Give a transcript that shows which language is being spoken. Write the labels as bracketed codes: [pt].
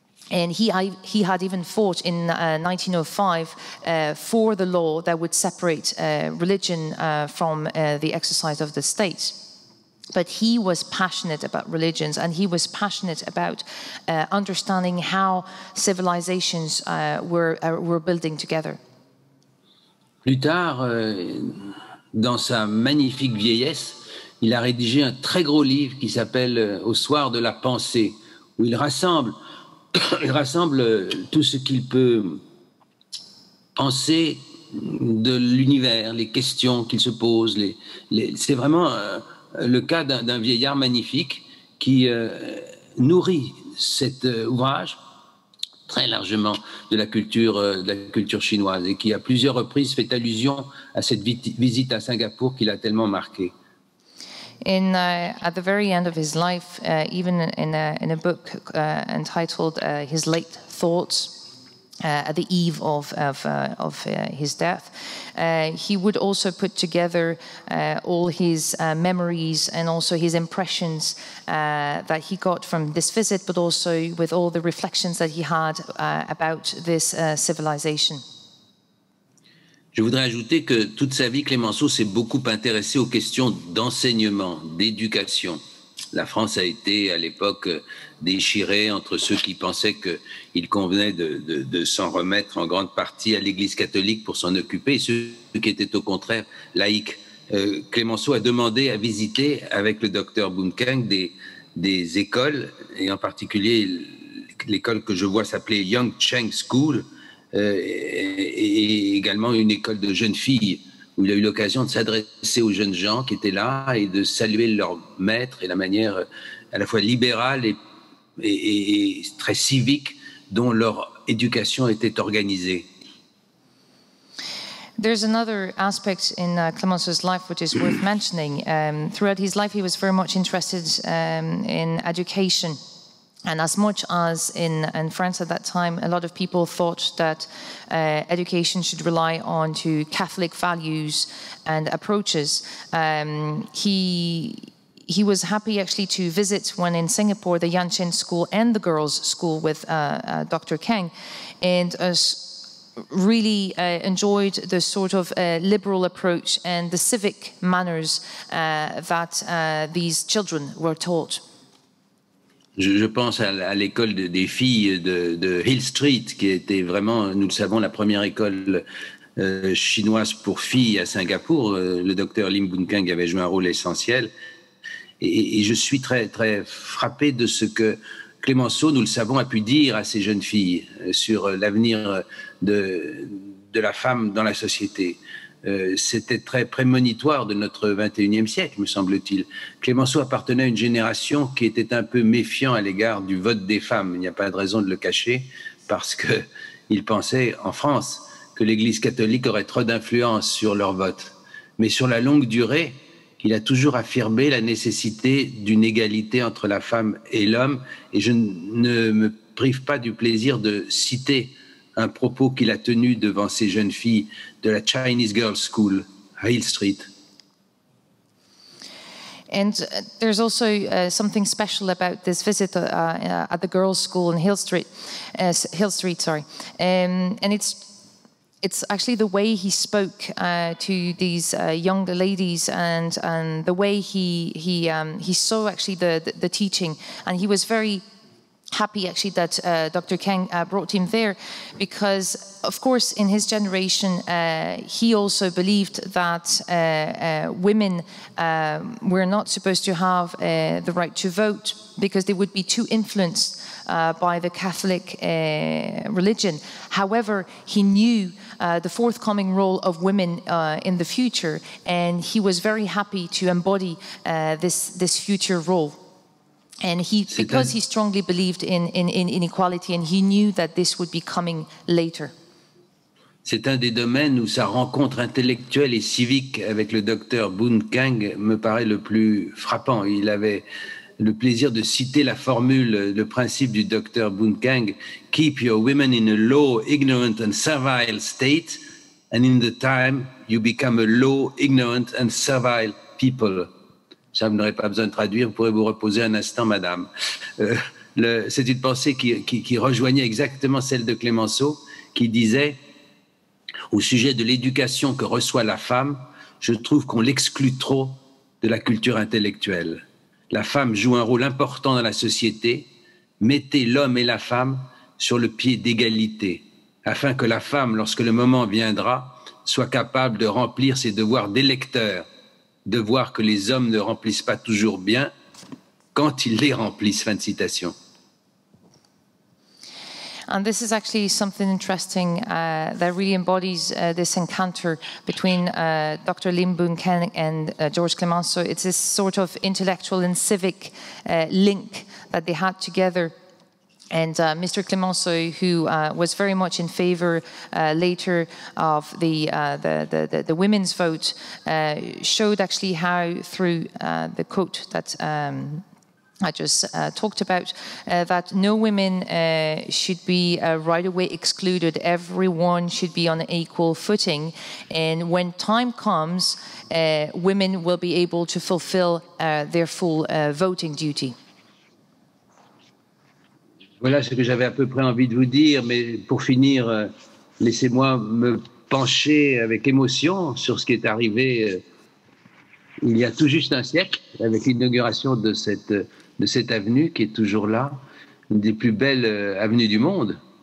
[en] And he had even fought in 1905 for the law that would separate religion from the exercise of the state. But he was passionate about religions, and he was passionate about understanding how civilizations were building together. [fr] Plus tard, dans sa magnifique vieillesse, il a rédigé un très gros livre qui s'appelle « Au soir de la pensée », où il rassemble tout ce qu'il peut penser de l'univers, les questions qu'il se pose. C'est vraiment le cas d'un vieillard magnifique qui nourrit cet ouvrage très largement de la culture chinoise et qui à plusieurs reprises fait allusion à cette visite à Singapour qui l'a tellement marqué. [en] At the very end of his life, even in a book entitled His Late Thoughts, at the eve of his death, he would also put together all his memories and also his impressions that he got from this visit, but also with all the reflections that he had about this civilization. [fr] Je voudrais ajouter que toute sa vie, Clemenceau s'est beaucoup intéressé aux questions d'enseignement, d'éducation. La France a été à l'époque déchirée entre ceux qui pensaient qu'il convenait de s'en remettre en grande partie à l'Église catholique pour s'en occuper et ceux qui étaient au contraire laïcs. Clemenceau a demandé à visiter avec le docteur Boon Keng des écoles et en particulier l'école que je vois s'appeler Young Cheng School et également une école de jeunes filles. Où il a eu l'occasion de s'adresser aux jeunes gens qui étaient là et de saluer leur maître et la manière à la fois libérale et très civique dont leur éducation était organisée. [en] There's another aspect in Clemenceau's life which is worth mentioning. Throughout his life, he was very much interested in education. And as much as in France at that time, a lot of people thought that education should rely on to Catholic values and approaches, he was happy actually to visit when in Singapore, the Yanchen School and the girls' school with Dr. Keng, and really enjoyed the sort of liberal approach and the civic manners that these children were taught. [fr] Je pense à l'école des filles de Hill Street, qui était vraiment, nous le savons, la première école chinoise pour filles à Singapour. Le docteur Lim Boon Keng avait joué un rôle essentiel. Et je suis très, très frappé de ce que Clemenceau, nous le savons, a pu dire à ces jeunes filles sur l'avenir de la femme dans la société. C'était très prémonitoire de notre 21e siècle, me semble-t-il. Clemenceau appartenait à une génération qui était un peu méfiant à l'égard du vote des femmes. Il n'y a pas de raison de le cacher, parce qu'il pensait, en France, que l'Église catholique aurait trop d'influence sur leur vote. Mais sur la longue durée, il a toujours affirmé la nécessité d'une égalité entre la femme et l'homme. Et je ne me prive pas du plaisir de citer un propos qu'il a tenu devant ces jeunes filles de la Chinese Girls School à Hill Street. [en] And there's also something special about this visit at the girls' school in Hill Street. And it's actually the way he spoke to these young ladies, and the way he saw actually the teaching, and he was very happy actually that Dr. Keng brought him there, because of course in his generation he also believed that women were not supposed to have the right to vote, because they would be too influenced by the Catholic religion. However, he knew the forthcoming role of women in the future, and he was very happy to embody this future role. And he, because he strongly believed in inequality, and he knew that this would be coming later. [fr] C'est un des domaines où sa rencontre intellectuelle et civique avec le docteur Boon Keng me paraît le plus frappant. Il avait le plaisir de citer la formule, le principe du docteur Boon Keng: [en] keep your women in a low, ignorant and servile state, and in the time you become a low, ignorant and servile people. [fr] Ça, vous n'aurez pas besoin de traduire, vous pourrez vous reposer un instant, madame. C'est une pensée qui rejoignait exactement celle de Clemenceau, qui disait, au sujet de l'éducation que reçoit la femme, je trouve qu'on l'exclut trop de la culture intellectuelle. La femme joue un rôle important dans la société. Mettez l'homme et la femme sur le pied d'égalité, afin que la femme, lorsque le moment viendra, soit capable de remplir ses devoirs d'électeur. De voir que les hommes ne remplissent pas toujours bien quand ils les remplissent. Fin de citation. [en] And this is actually something interesting that really embodies this encounter between Dr. Lim Boon Keng and George Clemenceau. It's this sort of intellectual and civic link that they had together. And Mr. Clemenceau, who was very much in favor later of the women's vote, showed actually how, through the quote that I just talked about, that no women should be right away excluded. Everyone should be on an equal footing. And when time comes, women will be able to fulfill their full voting duty. [fr] Voilà ce que j'avais à peu près envie de vous dire, mais pour finir, laissez-moi me pencher avec émotion sur ce qui est arrivé il y a tout juste un siècle, avec l'inauguration de cette avenue qui est toujours là, une des plus belles avenues du monde.